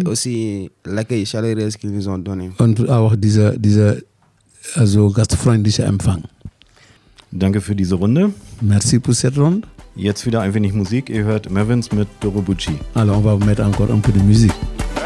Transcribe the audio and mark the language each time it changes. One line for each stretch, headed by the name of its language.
French: Et aussi l'accueil chaleureux qu'ils nous ont donné.
German: Und auch dieser gastfreundliche Empfang. Danke für diese Runde.
French: Merci pour cette ronde.
German: Jetzt wieder ein wenig Musik. Ihr hört Mervins mit Dorobucci.
French: Alors, on va mettre encore un peu de musique.